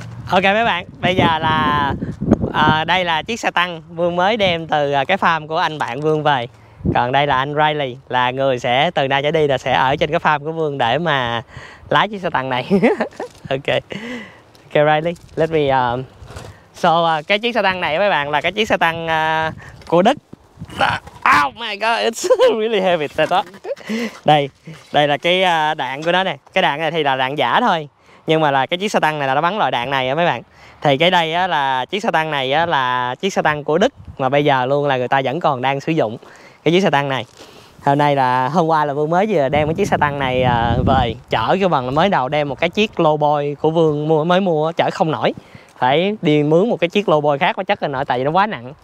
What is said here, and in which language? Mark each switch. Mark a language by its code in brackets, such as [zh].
[vi] Ok mấy bạn, bây giờ là đây là chiếc xe tăng Vương mới đem từ cái farm của anh bạn Vương về. Còn đây là anh Riley, là người sẽ từ nay trở đi là sẽ ở trên cái farm của Vương để mà lái chiếc xe tăng này. Ok. [en] Ok Riley, let me [vi] cái chiếc xe tăng này mấy bạn là cái chiếc xe tăng của Đức. [en] Oh my god, it's really heavy. [vi] Đây là cái đạn của nó nè. Cái đạn này thì là đạn giả thôi, nhưng mà là cái chiếc xe tăng này là nó bắn loại đạn này á mấy bạn. Thì cái đây á là chiếc xe tăng này á là chiếc xe tăng của Đức mà bây giờ luôn là người ta vẫn còn đang sử dụng cái chiếc xe tăng này. Hôm nay là hôm qua là Vương mới vừa đem cái chiếc xe tăng này về chở, cái bằng là mới đầu đem một cái chiếc lowboy của Vương mới mua chở không nổi, phải đi mướn một cái chiếc lowboy khác mà chắc là nổi tại vì nó quá nặng.